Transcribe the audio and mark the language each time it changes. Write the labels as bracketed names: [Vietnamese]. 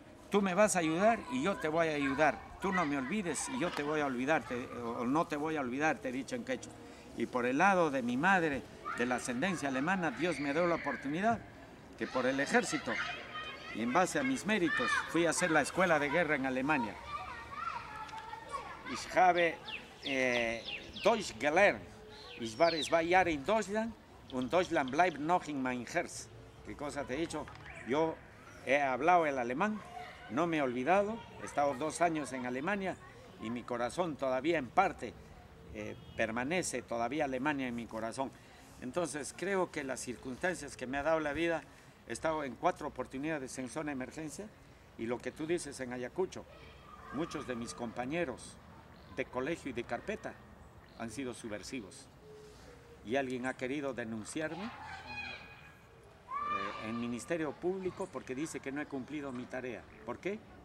[Spanish] Tú me vas a ayudar y yo te voy a ayudar. Tú no me olvides y yo te voy a olvidar, te he dicho en quechua. Y por el lado de mi madre, de la ascendencia alemana, Dios me dio la oportunidad que por el ejército y en base a mis méritos fui a hacer la escuela de guerra en Alemania. [German] Ich habe Deutsch gelernt. Ich war zwei Jahre in Deutschland und Deutschland bleibt noch in mein Herz. [Spanish] ¿Qué cosa te he dicho? Yo he hablado el alemán. No me he olvidado, he estado 2 años en Alemania y mi corazón todavía en parte permanece todavía Alemania en mi corazón. Entonces creo que las circunstancias que me ha dado la vida, he estado en 4 oportunidades en zona de emergencia y lo que tú dices en Ayacucho, muchos de mis compañeros de colegio y de carpeta han sido subversivos y alguien ha querido denunciarme en Ministerio Público porque dice que no he cumplido mi tarea. ¿Por qué?